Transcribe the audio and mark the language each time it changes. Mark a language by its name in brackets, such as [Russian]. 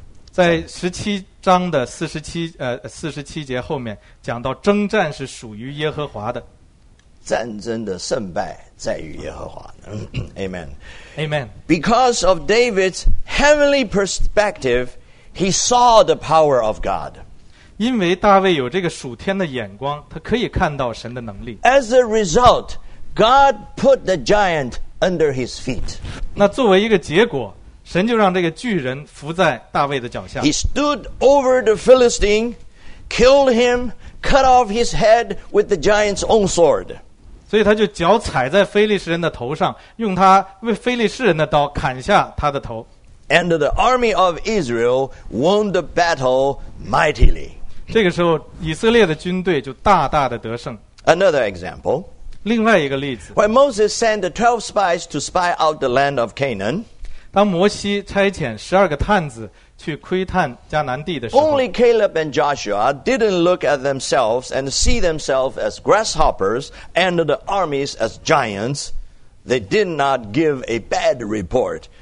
[Chinese] 在17:47后面讲到征战是属于耶和华的。战争的胜败在于耶和华。Amen. [English] Amen. Because of David's heavenly perspective, he saw the power of God. [Chinese] 因为大卫有这个属天的眼光，他可以看到神的能力。 [English] As a result, God put the giant under his feet. [Chinese] 那作为一个结果，神就让这个巨人伏在大卫的脚下。 [English] He stood over the Philistine, killed him, cut off his head with the giant's own sword. [Chinese] 所以他就脚踩在非利士人的头上，用他为非利士人的刀砍下他的头。 [English] And the army of Israel won the battle mightily. [Chinese] 这个时候，以色列的军队就大大的得胜。 [English] Another example. [Chinese] 另外一个例子。 [English] When Moses sent the 12 spies to spy out the land of Canaan, [Chinese] 当摩西差遣十二个探子去窥探迦南地的时候 [English] ，Only Caleb and Joshua didn't look at themselves and see themselves as grasshoppers and the armies as giants. They did not give a bad report.